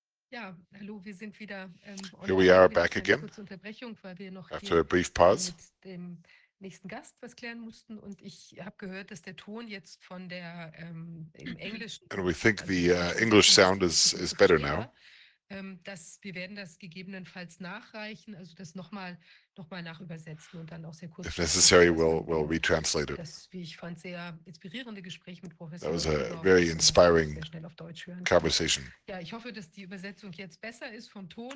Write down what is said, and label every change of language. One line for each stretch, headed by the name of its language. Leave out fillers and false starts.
German: Ja, hallo, wir sind wieder.
English: Here we are back again.
German: Kurze Unterbrechung, weil wir noch
English: after a brief pause.
German: Mit dem nächsten Gast was klären mussten und ich habe gehört, dass der Ton jetzt von der im Englischen.
English: And we think the English sound is better now.
German: Dass wir werden das gegebenenfalls nachreichen, also das nochmal nachübersetzen und dann auch sehr kurz.
English: If necessary, we'll retranslate it.
German: Das, wie ich fand, sehr inspirierende Gespräch mit Professor.
English: That was a very inspiring conversation.
German: Ja, ich hoffe, dass die Übersetzung jetzt besser ist vom Ton.